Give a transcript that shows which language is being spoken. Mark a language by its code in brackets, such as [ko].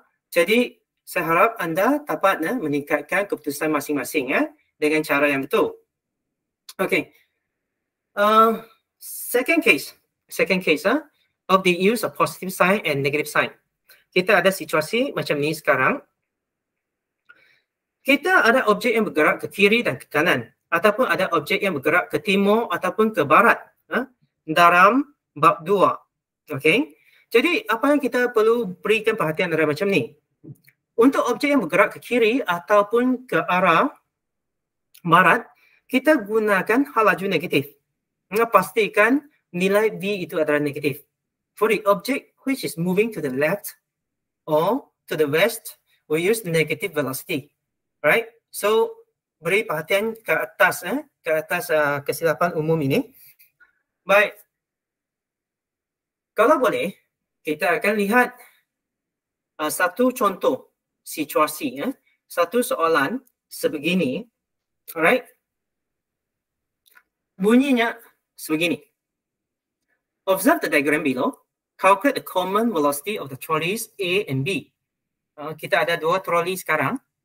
[ms] Jadi saya harap anda dapat meningkatkan keputusan masing-masing dengan cara yang betul. Okay. [en] Second case of the use of positive sign and negative sign. [ms] Kita ada situasi macam ni sekarang. Kita ada objek yang bergerak ke kiri dan ke kanan ataupun ada objek yang bergerak ke timur ataupun ke barat dalam bab 2. Okay. Jadi apa yang kita perlu berikan perhatian adalah macam ni. Untuk objek yang bergerak ke kiri ataupun ke arah barat, kita gunakan hal laju negatif. Pastikan nilai V itu adalah negatif. [en] For the object which is moving to the left or to the west, we use negative velocity. [ms] Right? So, beri perhatian ke atas kesilapan umum ini. Baik. Kalau boleh, kita akan lihat satu contoh situasi. Satu soalan sebegini. Alright? Bunyinya sebegini. [en] Observe the diagram below. Calculate the common velocity of the trolleys A and B. [ms] Kita ada dua troli sekarang.